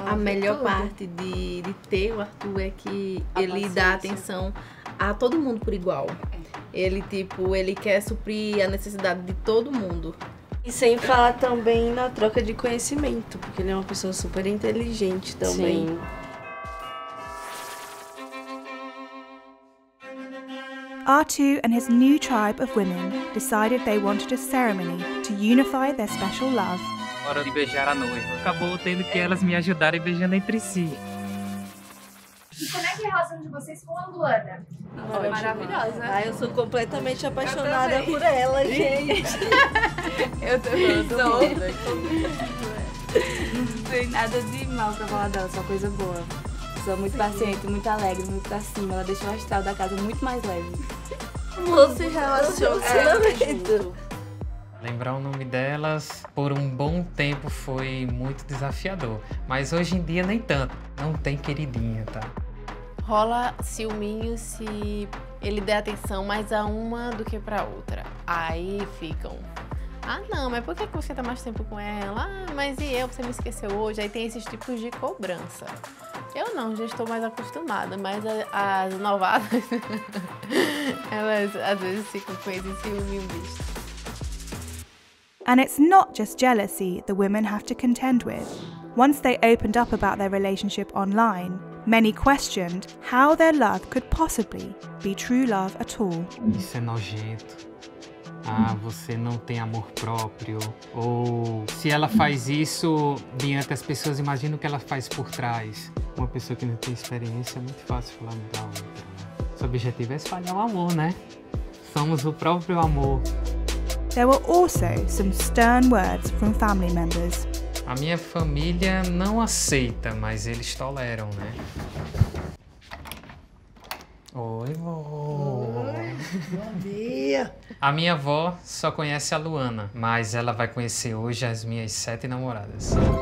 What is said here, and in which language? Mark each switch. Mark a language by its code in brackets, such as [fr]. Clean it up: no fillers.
[pt] A melhor parte de ter o Arthur é que ele dá atenção a todo mundo por igual. Ele, tipo, ele quer suprir a necessidade de todo mundo. E sem falar também na troca de conhecimento, porque ele é uma pessoa super inteligente também. Sim. [en] Artu and his new tribe of women decided they wanted a ceremony to unify their special love. [pt] Hora de beijar a noiva. Acabou tendo que elas me ajudarem beijando entre si. E como é que é a relação de vocês com a Luana? Maravilhosa. Ah, eu sou completamente apaixonada por ela, gente. Eu tô toda. Não tem nada de mal pra falar dela, só coisa boa. Sou muito paciente, muito alegre, muito pra cima. Ela deixou o astral da casa muito mais leve. Você relaciona muito. Lembrar o nome delas por um bom tempo foi muito desafiador. Mas hoje em dia nem tanto. Não tem queridinha, tá? Rola ciúminho se ele der atenção mais a uma do que pra outra. Aí ficam... Ah, não, mas por que você tá mais tempo com ela? Ah, mas e eu? Você me esqueceu hoje? Aí tem esses tipos de cobrança. Eu não, já estou mais acostumada, mas as novadas, elas às vezes ficam com esse ciúme misto. [en] And it's not just jealousy the women have to contend with. Once they opened up about their relationship online, many questioned how their love could possibly be true love at all. [pt] Isso é nojento. Ah, você não tem amor próprio. Ou se ela faz isso diante das pessoas, imagina o que ela faz por trás. Uma pessoa que não tem experiência, é muito fácil falar da outra. Seu objetivo é espalhar o amor, né? Somos o próprio amor. [en] There were also some stern words from family members. [pt] A minha família não aceita, mas eles toleram, né? Oi, vó. Oi, bom dia. A minha avó só conhece a Luana, mas ela vai conhecer hoje as minhas 7 namoradas.